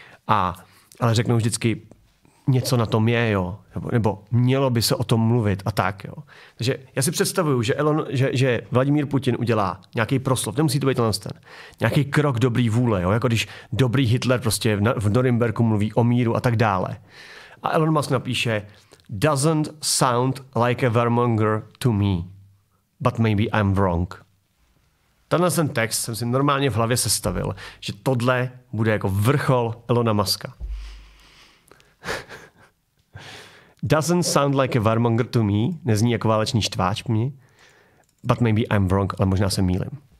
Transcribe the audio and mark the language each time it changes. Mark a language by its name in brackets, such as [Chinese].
[Czech] Ale řeknou vždycky, něco na tom je, jo. Nebo mělo by se o tom mluvit a tak, jo. Takže já si představuju, že Vladimír Putin udělá nějaký proslov, nemusí to být ten, nějaký krok dobrý vůle, jo. Jako když dobrý Hitler prostě v Norimberku mluví o míru a tak dále. A Elon Musk napíše, [English] doesn't sound like a warmonger to me, but maybe I'm wrong. [Czech] Tenhle ten text jsem si normálně v hlavě sestavil, že tohle bude jako vrchol Elona Muska. [English] Doesn't sound like a warmonger to me, [Czech] nezní jako válečný štváč mi, [English] but maybe I'm wrong, [Czech] ale možná se mýlím.